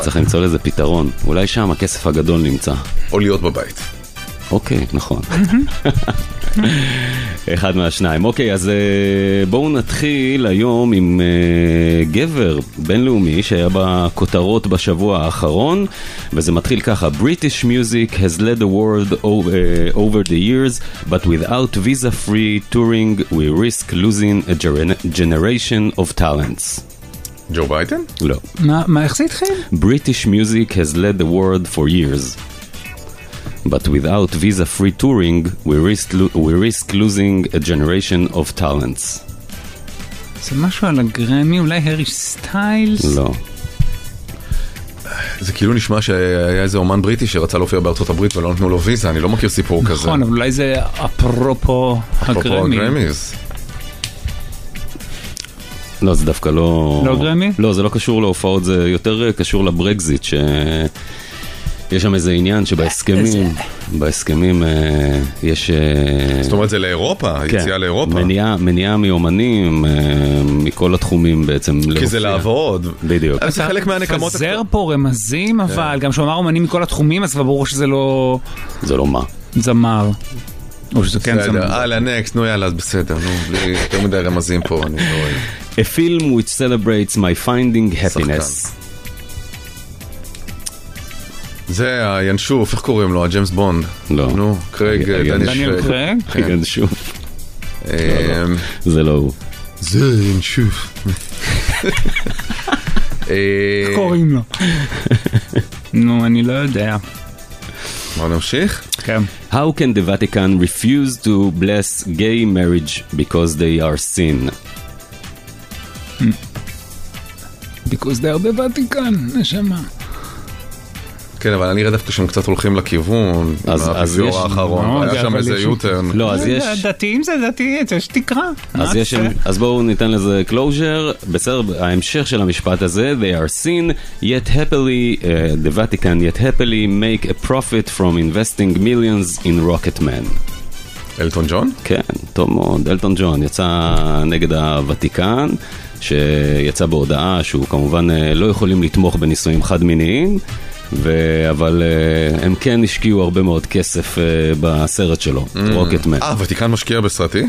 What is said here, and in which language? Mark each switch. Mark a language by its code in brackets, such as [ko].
[he] צריך למצוא לזה פתרון. אולי שם הכסף הגדול נמצא. או להיות בבית. אוקיי, נכון. אחד מהשניים. אוקיי, אז בואו נתחיל היום עם גבר בינלאומי שהיה בכותרות בשבוע האחרון, וזה מתחיל ככה. [en] British music has led the world over the years, but without visa-free touring, we risk losing a generation of talents. [he] ג'ו ביידן? לא. מה, איך זה התחיל? [en] British music has led the world for years. But without visa-free touring, we risk losing a generation of talents. [he] זה משהו על הגרמי, אולי הרי סטיילס? לא. זה כאילו נשמע שהיה איזה אומן בריטי שרצה להופיע בארצות הברית ולא נתנו לו ויזה, אני לא מכיר סיפור נכון, כזה. נכון, אבל אולי זה אפרופו הגרמיז. לא, זה דווקא לא... לא גרמי? לא, זה לא קשור להופעות, זה יותר קשור לברקזיט ש... יש שם איזה עניין שבהסכמים, בהסכמים יש... זאת אומרת זה לאירופה, יציאה לאירופה. מניעה מיומנים, מכל התחומים בעצם. כי זה לעבוד. בדיוק. זה חלק מהנקמות. חזר פה רמזים, אבל גם שאומר אומנים מכל התחומים, אז ברור שזה לא... זה לא מה. זמר. או שזה כן זמר. אלה, נקס, נו יאללה, בסדר, נו, בלי יותר מדי רמזים פה, אני לא רואה. [en] A film which celebrates my finding happiness. [he] שחקן. זה הינשוף, איך קוראים לו? הג'יימס בונד. לא. נו, קרייג, דניאל קרייג. הינשוף. זה לא הוא. זה הינשוף. איך קוראים לו? נו, אני לא יודע. בוא נמשיך. כן. [en] How can the Vatican refuse to bless gay marriage because they are sin? Because they are the Vatican, [he] נשמה. כן, אבל אני רדפתי שהם קצת הולכים לכיוון. אז יש... האחרון, לא, היה שם איזה יוטרן. לא, אז יש... דתיים זה דתיים, יש תקרה. אז, יש, אז בואו ניתן לזה קלוז'ר. בסדר, ההמשך של המשפט הזה, [en] they are seen yet happily, the Vatican yet happily make a profit from investing millions in rocket men. [he] אלטון ג'ון? כן, טוב מאוד. אלטון ג'ון יצא נגד הוותיקן, שיצא בהודעה שהוא כמובן לא יכולים לתמוך בניסויים חד מיניים, אבל הם כן השקיעו הרבה מאוד כסף בסרט שלו, רוקטמן. אה, הוותיקן משקיע בסרטי?